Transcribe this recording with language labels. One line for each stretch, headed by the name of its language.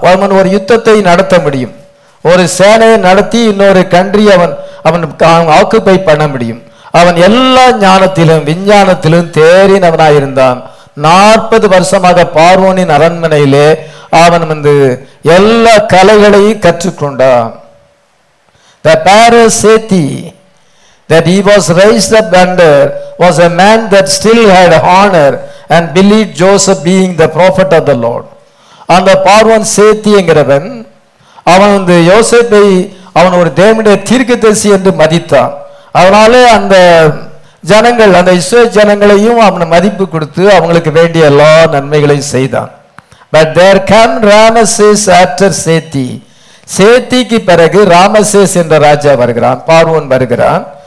Tamil: அவன் ஒரு யுத்தத்தை நடத்த முடியும், ஒரு சேனையை நடத்தி இன்னொரு கன்றி அவன் ஆக்குப்பை பண்ண முடியும். அவன் எல்லா ஞானத்திலும் விஞ்ஞானத்திலும் தேறினவனாயிருந்தான். 40 வருஷமாக பார்வோனின் அரண்மனையிலே அவன் வந்து எல்லா கலைகளையும் கற்றுக்கொண்டான்.
English: The Pharisee that he was raised up under was a man that still had honor and believed Joseph being the prophet of the Lord.
Tamil: அந்த பார்வோன் சேத்தி என்கிறவன், அவன் வந்து யோசேப்பை அவன் ஒரு தேவனுடைய தீர்க்கதரிசி என்று மதித்தான். அதனாலே அந்த ஜனங்கள், அந்த இஸ்ரவேல் ஜனங்களையும் அவனை மதிப்பு கொடுத்து அவங்களுக்கு வேண்டிய எல்லா நன்மைகளையும் செய்தான்.
English: But there come Ramses after Seti.
Tamil: சேத்திக்கு பிறகு ராமசேஸ் என்ற ராஜா வருகிறான், பார்வோன் வருகிறான்.